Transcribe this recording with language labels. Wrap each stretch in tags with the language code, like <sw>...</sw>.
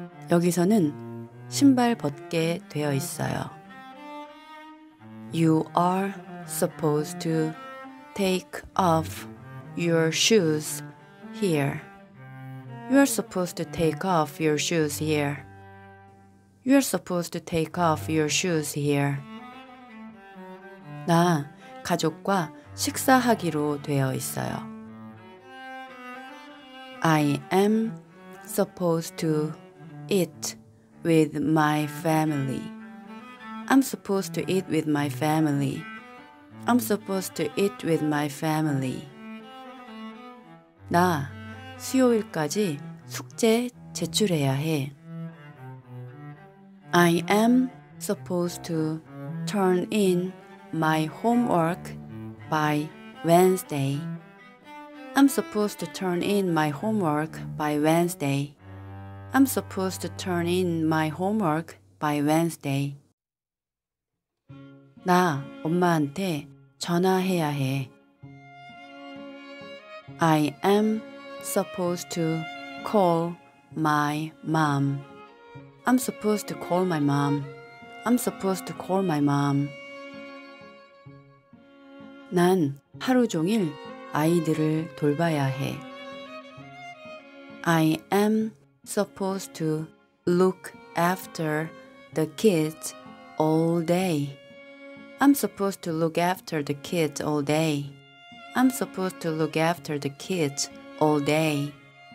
<ko>여기서는 신발 벗게 되어 있어요.</ko> <en>You are supposed to take off your shoes here. You are supposed to take off your shoes here. You are supposed to take off your shoes here.</en> <ko>나 가족과 식사하기로 되어 있어요.</ko> <en>I am supposed to eat with my family. I'm supposed to eat with my family. I'm supposed to eat with my family.</en> <ko>나 수요일까지 숙제 제출해야 해.</ko> <en>I am supposed to turn in my homework by Wednesday. I'm supposed to turn in my homework by Wednesday. I'm supposed to turn in my homework by Wednesday.</en> <ko>나 엄마한테 전화해야 해.</ko> <en>I am supposed to call my mom. I'm supposed to call my mom. I'm supposed to call my mom.</en> <ko>난 하루 종일 아이들을 돌봐야 해.</ko> <en>I am supposed to look after the kids all day. I'm supposed to look after the kids all day. I'm supposed to look after the kids all day.</en>